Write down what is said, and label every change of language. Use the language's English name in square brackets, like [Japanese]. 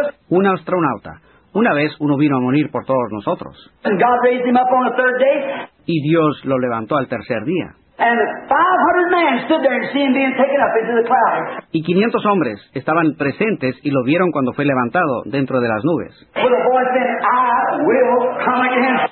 [Spanish] Un astronauta. Una vez uno vino a morir por todos nosotros. [English] And God raised him up on the third day. [Spanish] Y Dios lo levantó al tercer día. [English] And 500 men stood there to see him being taken up into the clouds. [Spanish] Y 500 hombres estaban presentes y lo vieron cuando fue levantado dentro de las nubes. [English] With a voice saying, I will come again.